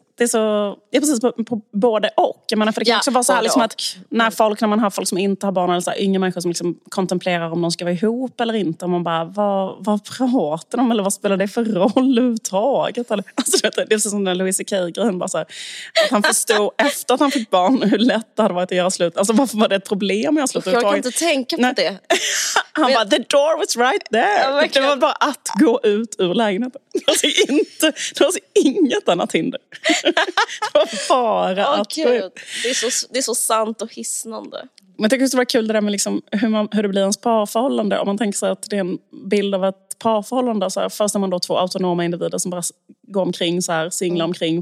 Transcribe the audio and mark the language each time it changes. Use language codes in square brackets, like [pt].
[sv] Det är så, det är precis på både och. Jag menar, för det kan också vara så här liksom att när man har folk som inte har barn eller så här, yngre människor som liksom kontemplerar om de ska vara ihop eller inte, och man bara, vad pratar de, eller vad spelar det för roll uttaget? Alltså, vet du, det är som den Louis C.K.-grejen, bara så här, att han förstod efter att han fick barn hur lätt det hade varit att göra slut. Alltså, varför var det ett problem att göra slut uttaget? Jag kan inte tänka på det. Han bara, [en] the door was right there. [sv] Det var bara att gå ut ur lägenheten. Det var alltså inget annat hinder. bara att det är så sant och hissnande. Men jag tycker att det var kul det där med liksom hur det blir ens parförhållande. Om man tänker sig att det är en bild av ett parförhållande. Så här, först när man då två autonoma individer som bara går omkring, så här, singlar omkring.